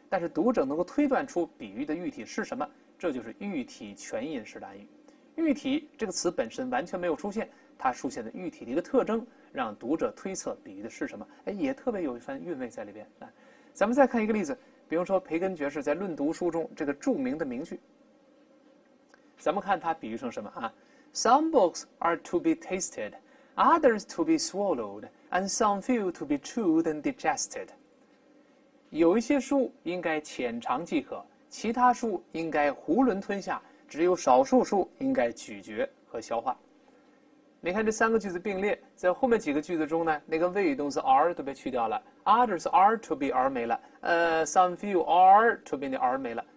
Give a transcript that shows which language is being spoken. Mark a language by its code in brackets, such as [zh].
[zh] 但是读者能够推断出比喻的喻体是什么，这就是喻体全隐式的暗喻。喻体这个词本身完全没有出现，它出现的喻体的一个特征，让读者推测比喻的是什么，哎，也特别有一番韵味在里边。来，咱们再看一个例子，比如说培根爵士在《论读》书中这个著名的名句。咱们看它比喻成什么啊？ [en] Some books are to be tasted, others to be swallowed, and some few to be chewed and digested。 [zh] 有一些书应该浅尝即可，其他书应该囫囵吞下，只有少数书应该咀嚼和消化。你看这三个句子并列，在后面几个句子中呢，那个谓语动词 are 都被去掉了， [en] others are to be [zh] are 没了， [en] some few are to be [zh] 的 are 没了。